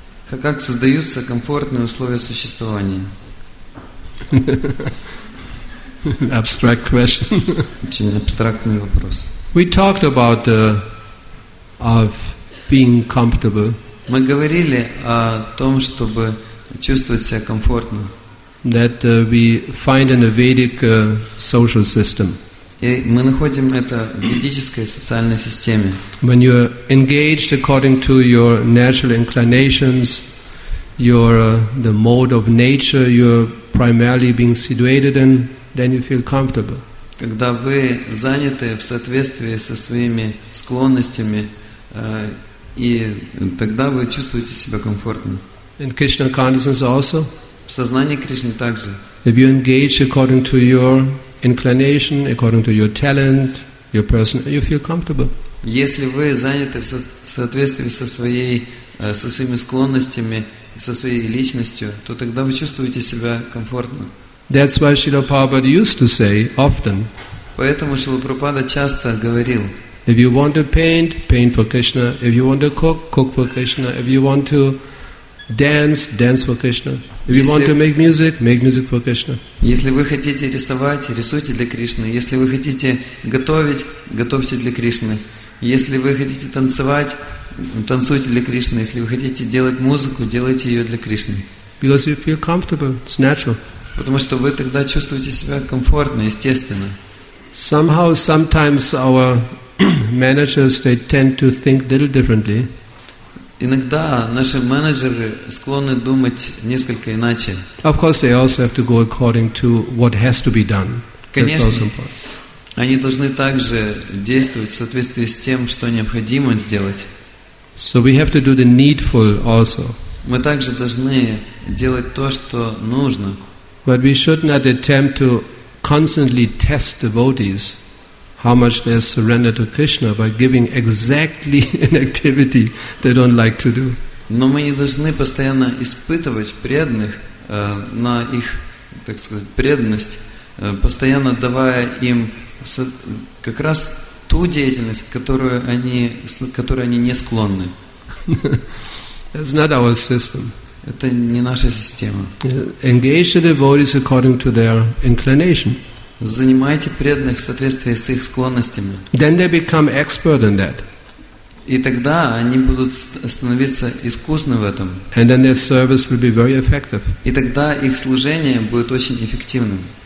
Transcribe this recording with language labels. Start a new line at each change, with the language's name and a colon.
Russian: Как создаются комфортные условия существования?
English: Abstract question.
Russian: Очень абстрактный вопрос.
English: We talked about of being comfortable.
Russian: Мы говорили о том, чтобы чувствовать себя комфортно.
English: That we find in a Vedic social system.
Russian: И мы находим это в ведической социальной системе.
English: When you are engaged according to your natural inclinations, your the mode of nature you're primarily being situated in, then you feel comfortable.
Russian: Когда вы заняты в соответствии со своими склонностями, и тогда вы чувствуете себя комфортно.
English: In Krishna consciousness also.
Russian: В сознании Кришны также.
English: If you engage according to your inclination, according to your talent, your person, you feel comfortable.
Russian: Если вы заняты в соответствии со своей, со своими склонностями, со своей личностью, то тогда вы чувствуете себя комфортно.
English: That's why Srila Prabhupada used to say often.
Russian: Поэтому Шрила Прабхупада часто говорил.
English: If you want to paint, paint for Krishna. If you want to cook, cook for Krishna. If you want to dance, dance for Krishna. If you want to make music, make music for Krishna.
Russian: Если вы хотите рисовать, рисуйте для Кришны. Если вы хотите готовить, готовьте для Кришны. Если вы хотите танцевать, танцуйте для Кришны. Если вы хотите делать музыку, делайте ее для Кришны.
English: Because you feel comfortable, it's natural.
Russian: Потому что вы тогда чувствуете себя комфортно, естественно.
English: Somehow, sometimes our managers they tend to think a little differently.
Russian: Иногда наши менеджеры склонны думать несколько иначе.
English: Of course, they also have to go according to what has to be done.
Russian: Конечно. Они должны также действовать в соответствии с тем, что необходимо сделать.
English: So we have to do the needful also.
Russian: Мы также должны делать то, что нужно.
English: But we should not attempt to constantly test devotees how much they are surrendered to Krishna by giving exactly an activity they don't like to do.
Russian: Но мы не должны постоянно испытывать преданных на их, так сказать, преданность, постоянно давая им как раз ту деятельность, которой они не склонны.
English: That's not our system.
Russian: Это не наша система.
English: Engage the devotees according to their inclination.
Russian: Занимайте преданных в соответствии с их склонностями.
English: Then they become expert in that.
Russian: И тогда они будут становиться искусны в этом.
English: And then their service will be very effective.
Russian: И тогда их служение будет очень эффективным.